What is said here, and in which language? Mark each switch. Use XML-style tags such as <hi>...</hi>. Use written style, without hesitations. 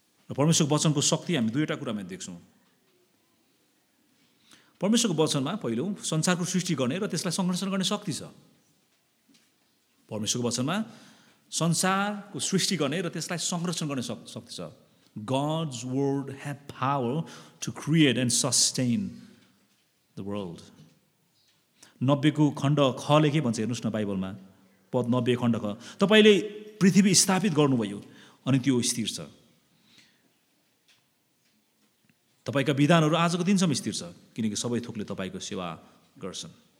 <ne>परमेश्वरको वचनको शक्ति हामी दुईवटा कुरामा देख्छौँ। परमेश्वरको वचनमा पहिलो संसारको सृष्टि गर्ने र त्यसलाई संरक्षण गर्ने शक्ति छ। परमेश्वरको वचनमा संसारको सृष्टि गर्ने र त्यसलाई संरक्षण गर्ने शक्ति छ।</ne> <en>God's word has power to create and sustain the world.</en> <ne>नब्बेको खण्ड खले के भन्छ हेर्नुहोस् न बाइबलमा, पद नब्बे खण्ड ख, तपाईँले पृथ्वी स्थापित गर्नुभयो अनि त्यो स्थिर छ, तपाईँका विधानहरू आजको दिनसम्म स्थिर छ किनकि सबै थोकले तपाईँको सेवा गर्छन्।</ne>